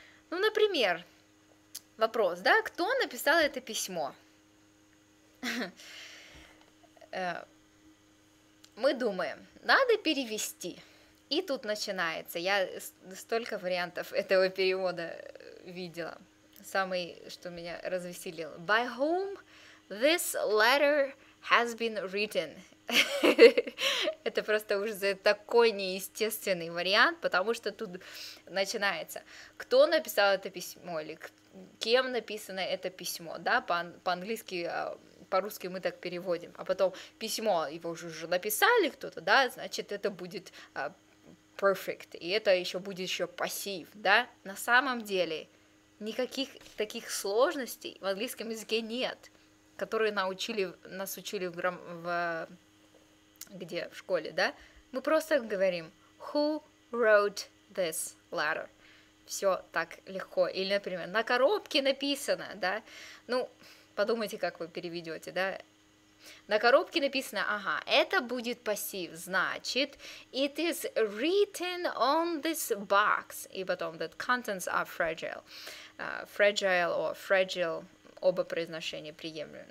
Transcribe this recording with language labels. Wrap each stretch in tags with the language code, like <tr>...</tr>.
<ru>Ну, например, вопрос, да, кто написал это письмо? Мы думаем, надо перевести. И тут начинается. Я столько вариантов этого перевода видела. Самый, что меня развеселил.</ru> <en>By whom this letter has been written.</en> <ru>Это просто уже такой неестественный вариант, потому что тут начинается. Кто написал это письмо? Или кем написано это письмо? Да, по-английски, по-русски мы так переводим. А потом письмо, его уже написали кто-то, да, значит, это будет... perfect, и это еще будет еще пассив, да? На самом деле никаких таких сложностей в английском языке нет, которые нас учили в школе, да? Мы просто говорим</ru> <en>who wrote this letter.</en> <ru>Все так легко. Или, например, на коробке написано, да? Ну, подумайте, как вы переведете, да? На коробке написано, ага, это будет пассив, значит,</ru> <en>it is written on this box,</en> <ru>и потом,</ru> <en>that contents are fragile, fragile or fragile,</en> <ru>оба произношения приемлемы.</ru>